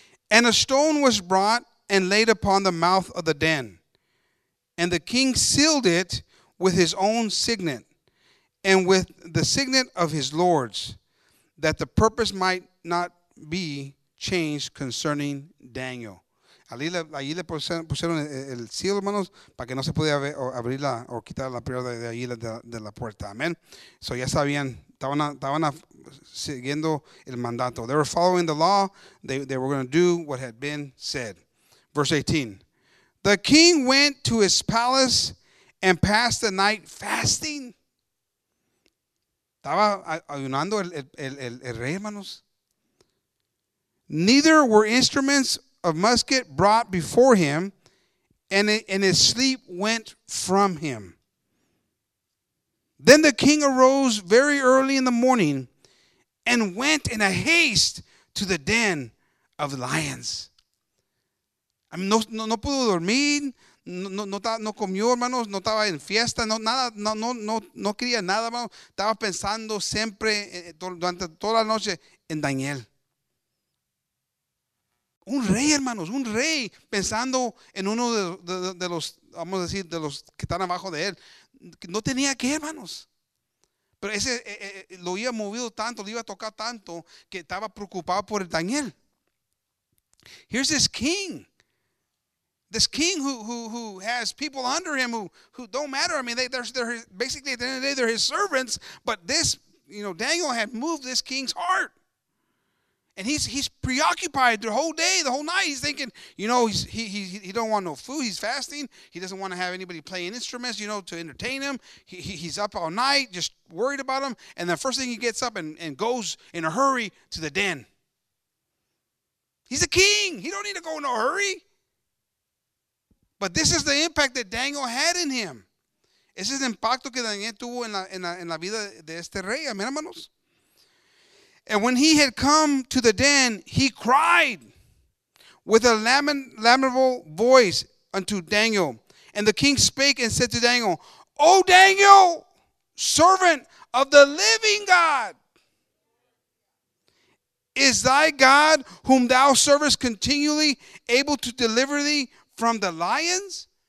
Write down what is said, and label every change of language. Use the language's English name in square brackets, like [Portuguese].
[English] And a stone was brought and laid upon the mouth of the den. And the king sealed it with his own signet and with the signet of his lords, that the purpose might not be changed concerning Daniel. [Spanish] Allí le pusieron el cielo, hermanos, para que no se pudiera abrir o quitar la piedra de ahí de la puerta. Amén. So ya sabían, estaban siguiendo el mandato. [English] They were following the law. They were going to do what had been said. Verse 18. The king went to his palace and passed the night fasting. [Spanish] Estaba ayunando el rey, hermanos. [English] Neither were instruments of musket brought before him, and his sleep went from him. Then the king arose very early in the morning and went in a haste to the den of lions. I mean, [Spanish] no pudo dormir, no comió, hermanos, no estaba en fiesta, no quería nada, hermano. Estaba pensando siempre durante toda la noche en Daniel. Un rey, hermanos, un rey pensando en uno de los, vamos a decir, de los que están abajo de él. No tenía que, hermanos. Pero ese lo había movido tanto, lo iba a tocar tanto, que estaba preocupado por el Daniel. [English] Here's this king. This king who has people under him who don't matter. I mean, they're basically at the end of the day, they're his servants. But this, you know, Daniel had moved this king's heart. And he's preoccupied the whole day, the whole night. He's thinking, you know, he don't want no food. He's fasting. He doesn't want to have anybody playing instruments, you know, to entertain him. He's up all night, just worried about him. And the first thing he gets up and goes in a hurry to the den. He's a king. He don't need to go in no hurry. But this is the impact that Daniel had in him. [Spanish] Ese es el impacto que Daniel tuvo en la vida de este rey. Amén, hermanos. [English] And when he had come to the den, he cried with a lamentable voice unto Daniel. And the king spake and said to Daniel, O Daniel, servant of the living God, is thy God whom thou servest continually able to deliver thee from the lions?